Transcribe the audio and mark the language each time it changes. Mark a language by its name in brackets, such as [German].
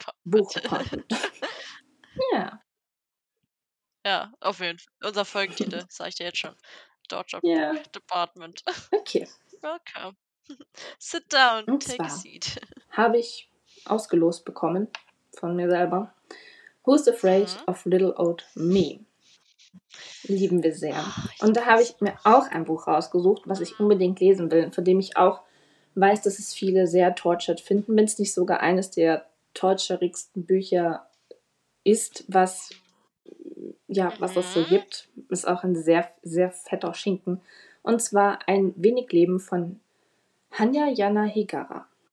[German] Book Couch. Ja. Ja, auf jeden Fall. Unser Folgentitel, sage ich dir jetzt schon. Dodge Department. Okay. [English] Welcome. Sit down, und take zwar a seat. [German] Habe ich ausgelost bekommen von mir selber. [English] Who's afraid of little old me? [German] Lieben wir sehr. Und da habe ich mir auch ein Buch rausgesucht, was ich unbedingt lesen will, von dem ich auch weiß, dass es viele sehr tortured finden, wenn es nicht sogar eines der torturigsten Bücher ist, was, ja, was es so gibt. Ist auch ein sehr, sehr fetter Schinken. Und zwar Ein wenig Leben von Hanya Yana Higara.